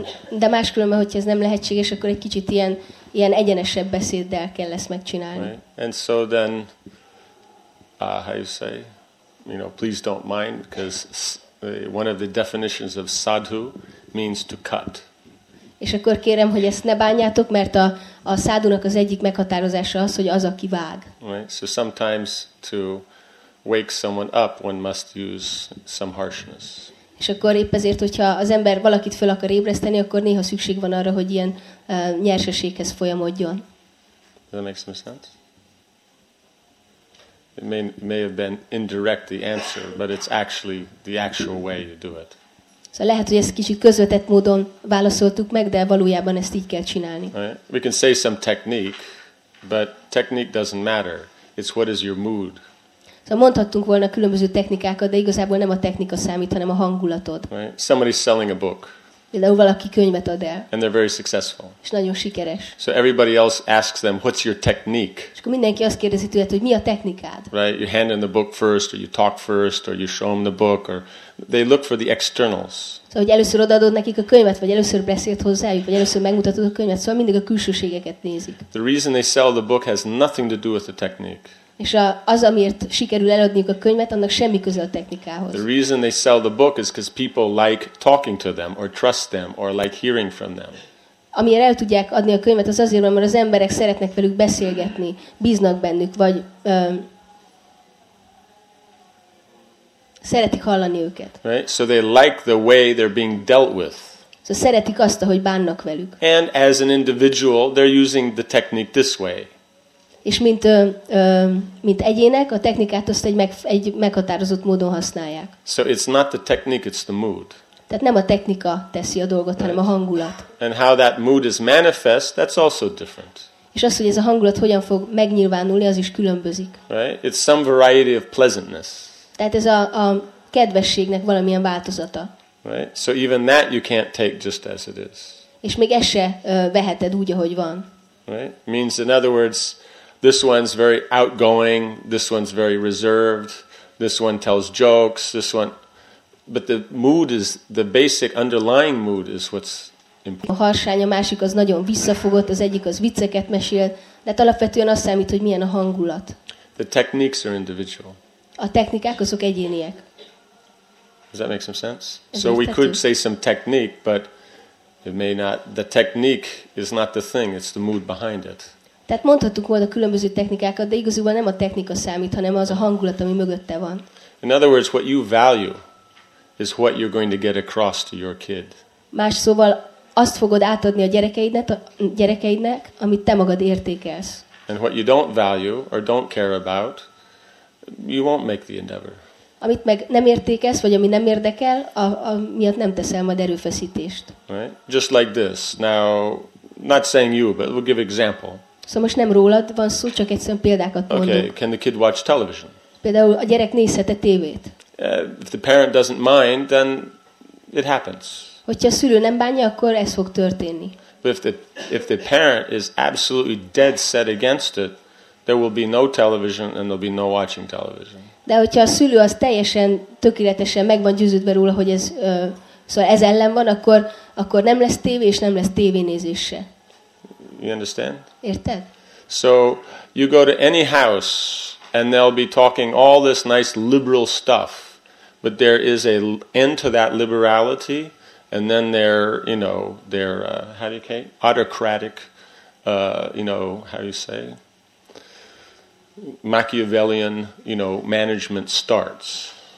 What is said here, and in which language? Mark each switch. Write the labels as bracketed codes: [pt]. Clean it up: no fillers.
[hu] De máskülönben, hogyha ez nem lehetséges, akkor egy kicsit ilyen egyenesebb beszéddel kell ezt megcsinálni. [en] Right? And so then, how you say, you know, please don't mind, because one of the definitions of sadhu means to cut. [hu] És akkor kérem, hogy ezt ne bánjátok, mert a szádunak az egyik meghatározása az, hogy az, aki vág. [en] Right? So sometimes to wake someone up, one must use some harshness. [hu] És akkor épp ezért, hogyha az ember valakit föl akar ébreszteni, akkor néha szükség van arra, hogy ilyen nyersességhez folyamodjon. [en] Does that make some sense? It may have been indirect the answer, but it's actually the actual way you do it. [hu] Szóval lehet, hogy ezt kicsit közvetett módon válaszoltuk meg, de valójában ezt így kell csinálni. [en] Right? We can say some technique, but technique doesn't matter. It's what is your mood. [hu] Szóval mondhattunk volna különböző technikákat, de igazából nem a technika számít, hanem a hangulatod. [en] Right. Somebody's selling a book. [hu] Például valaki könyvet ad el. [en] And they're very successful. [hu] És nagyon sikeres. [en] So everybody else asks them, what's your technique? [hu] És akkor mindenki azt kérdezi tőled, hogy mi a technikád? [en] Right, you hand them the book first, or you talk first, or you show them the book, or they look for the externals. [hu] Szóval, hogy először odaadod nekik a könyvet, vagy először beszélt hozzájuk, vagy először megmutatod a könyvet, szóval mindig a külsőségeket nézik. [en] The reason they sell the book has nothing to do with the technique. [hu] És az, amiért sikerül eladniuk a könyvet, annak semmi köze a technikához. [en] The reason they sell the book is because people like talking to them, or trust them, or like hearing from them. [hu] Amiért el tudják adni a könyvet, az azért, mert az emberek szeretnek velük beszélgetni, bíznak bennük, vagy szeretik hallani őket. [en] Right? So they like the way they're being dealt with. [hu] Szóval szeretik azt, ahogy bánnak velük. [en] And as an individual, they're using the technique this way. [hu] És mint egyének a technikát azt egy meghatározott módon használják. [en] So it's not the technique, it's the mood. [hu] Tehát nem a technika teszi a dolgot, right. Hanem a hangulat. [en] And how that mood is manifest, that's also different. [hu] És az, hogy ez a hangulat hogyan fog megnyilvánulni, az is különbözik. [en] Right? It's some variety of pleasantness. [hu] Tehát ez a kedvességnek valamilyen változata. [en] Right? So even that you can't take just as it is. [hu] És még ezt se veheted úgy, ahogy van. [en] Right? Means in other words, this one's very outgoing, this one's very reserved, this one tells jokes, this one, but the mood is the basic underlying mood is what's important. [hu] A harsány, a másik az nagyon visszafogott, az egyik az vicceket mesél, de alapvetően azt számít, hogy milyen a hangulat. [en] The techniques are individual. [hu] A technikák azok egyéniek. [en] Does that make some sense? So we could say some technique, but it may not, the technique is not the thing, it's the mood behind it. [hu] Tehát mondhattuk volna különböző technikákat, de igazából nem a technika számít, hanem az a hangulat, ami mögötte van. [en] In other words, what you value is what you're going to get across to your kid. [hu] Más szóval azt fogod átadni a gyerekeidnek, amit te magad értékelsz. [en] And what you don't value or don't care about, you won't make the endeavor. [hu] Amit meg nem értékelsz, vagy ami nem érdekel, miatt nem teszel majd erőfeszítést. [en] Right? Just like this. Now, not saying you, but we'll give example. [hu] Szóval most nem rólad van szó, csak egyszerűen példákat mondok. [en] Okay, can the kid watch television? [hu] Például a gyerek nézhet-e tévét? [en] If the parent doesn't mind, then it happens. [hu] Hogyha a szülő nem bánja, akkor ez fog történni. [en] But if the parent is absolutely dead set against it, there will be no television and there'll be no watching television. [hu] De hogyha a szülő az teljesen tökéletesen meg van győződve róla, hogy ez szóval ez ellen van, akkor nem lesz tévé és nem lesz tévénézés se. [en] You understand? [hu] Érted? [en] So you go to any house and they'll be talking all this nice liberal stuff, but there is a end to that liberality, and then they're, you know, they're how do you say, autocratic, you know, how you say, Machiavellian, you know, management starts.